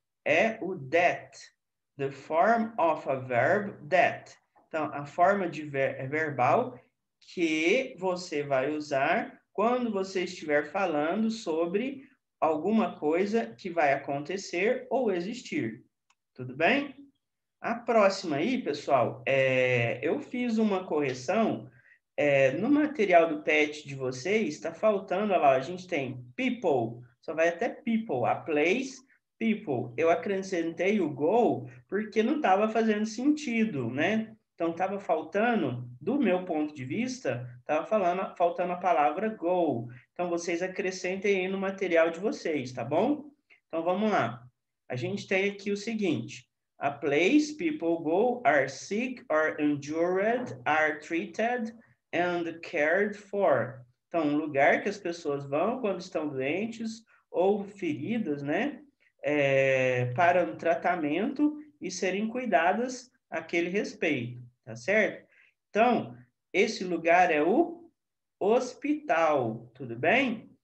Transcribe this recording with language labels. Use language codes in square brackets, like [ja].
[en] É o that, the form of a verb that. [pt] Então, a forma de verbal que você vai usar quando você estiver falando sobre alguma coisa que vai acontecer ou existir. Tudo bem? A próxima aí, pessoal, eu fiz uma correção. No material do PET de vocês, está faltando, olha lá, a gente tem people, só vai até people, a place, people. Eu acrescentei o go porque não estava fazendo sentido, né? Então, estava faltando, do meu ponto de vista, estava faltando a palavra go. Então, vocês acrescentem aí no material de vocês, tá bom? Então, vamos lá. A gente tem aqui o seguinte. [en] A place people go are sick or injured, are treated and cared for. [pt] Então, um lugar que as pessoas vão quando estão doentes ou feridas, né? Para um tratamento e serem cuidadas àquele respeito. Tá certo? Então, esse lugar é o hospital, tudo bem?